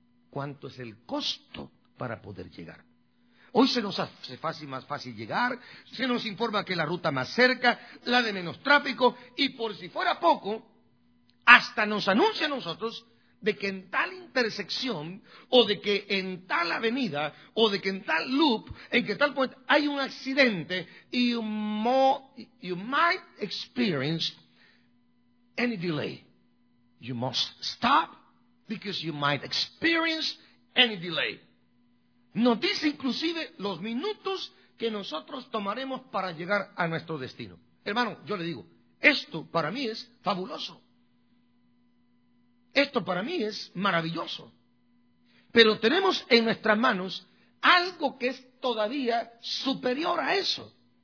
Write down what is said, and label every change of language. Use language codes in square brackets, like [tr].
[es] ¿Cuánto es el costo para poder llegar? Hoy se nos hace fácil, más fácil llegar, se nos informa que la ruta más cerca, la de menos tráfico, y por si fuera poco, hasta nos anuncia a nosotros de que en tal intersección, o de que en tal avenida, o de que en tal loop, en que tal puente, hay un accidente, y [en] you might experience any delay. You must stop, because you might experience any delay. [es] Nos dice inclusive los minutos que nosotros tomaremos para llegar a nuestro destino. Hermano, yo le digo, esto para mí es fabuloso. Esto para mí es maravilloso. Pero tenemos en nuestras manos algo que es todavía superior a eso.